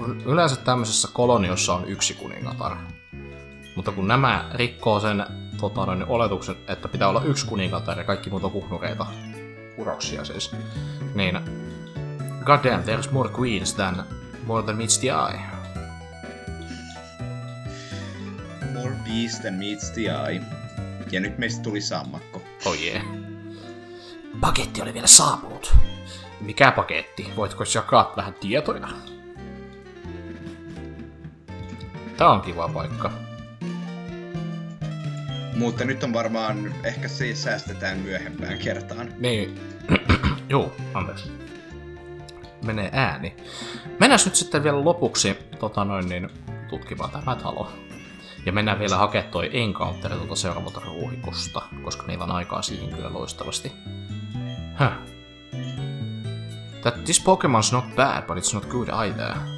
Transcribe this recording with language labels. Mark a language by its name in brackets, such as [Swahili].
[Finnish] Yleensä tämmöisessä koloniossa on yksi kuningatar. Mutta kun nämä rikkoo sen oletuksen, että pitää olla yksi kuningatar ja kaikki muut on kuhnureita, uroksia siis, niin [English] god damn, there's more queens than more than meets the eye. More beast than meets the eye. [Finnish] Ja nyt meistä tuli sammakko. [English] Oh yeah. [Finnish] Paketti oli vielä saapunut. Mikä paketti? Voitko jakaa vähän tietoja? Tää on kiva paikka. Mutta nyt on varmaan, ehkä se säästetään myöhempään kertaan. Niin. Joo, anteeksi. Menee ääni. Mennään nyt sitten vielä lopuksi tutkimaan tämä talo. Ja mennään vielä hakemaan toi Encounter seuraavalta ruuhikosta, koska meillä on aikaa siihen kyllä loistavasti. Huh. [English] That this Pokemon's not bad, but it's not good either.